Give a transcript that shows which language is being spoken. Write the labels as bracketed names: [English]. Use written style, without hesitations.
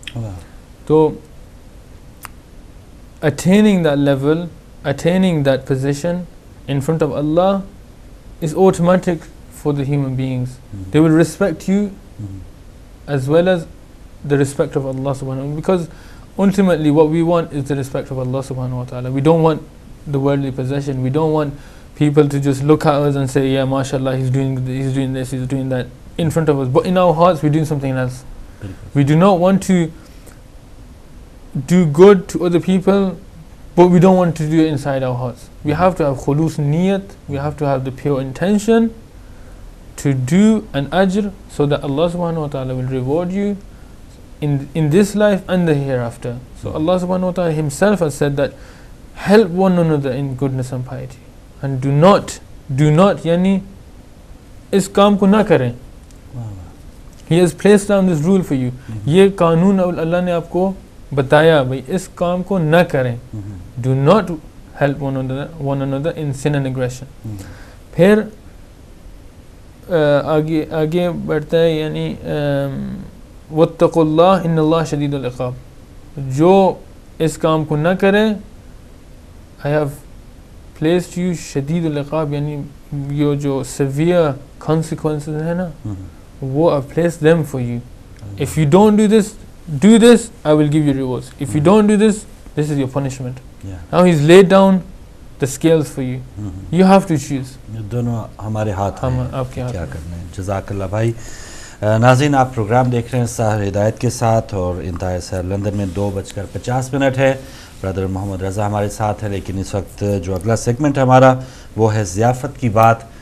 [English] तो attaining that level, attaining that position in front of Allah is automatic for the human beings, they will respect you as well as the respect of Allah सुब्हानहु व तआला, because ultimately what we want is the respect of Allah subhanahu wa ta'ala. We don't want the worldly possession, we don't want people to just look at us and say yeah mashallah he's doing this, he's doing that in front of us, but in our hearts we're doing something else. We do not want to do good to other people, but we don't want to do it inside our hearts. We have to have khulus niyat, we have to have the pure intention to do an ajr so that Allah subhanahu wa ta'ala will reward you in this life and the hereafter. So Allah subhanahu wa ta'ala himself has said that help one another in goodness and piety and do not [Urdu] yani is kaam ko na kare. [English] He has placed down this rule for you. [Urdu] Ye qanoon Allah ne aapko bataya bhai is kaam ko na kare. [English] Do not help one another in sin and aggression. [Urdu] Phir aage badhta hai yani [Arabic] وَاتَّقُوا اللَّهِ إِنَّ اللَّهَ شَدِيدُ الْعِقَابِ, [Urdu] جو اس کام کو نہ کرے, [English] I have placed you [Urdu] شدید العقاب, یعنی یہ جو [English] severe consequences [Urdu] ہیں نا, وہ [English] I've placed them for you. If you don't do this, I will give you rewards. If you don't do this, this is your punishment. Now he's laid down the scales for you. You have to choose. [Urdu] دونوں ہمارے ہاتھ ہیں, آپ کیا کرنے ہیں. جزاک اللہ بھائی. ناظرین آپ پروگرام دیکھ رہے ہیں سحر ہدایت کے ساتھ, اور انتہائی سحر لندن میں 2:50 ہے. برادر محمد رضا ہمارے ساتھ ہے, لیکن اس وقت جو اگلا سیگمنٹ ہمارا وہ ہے ضیافت کی بات,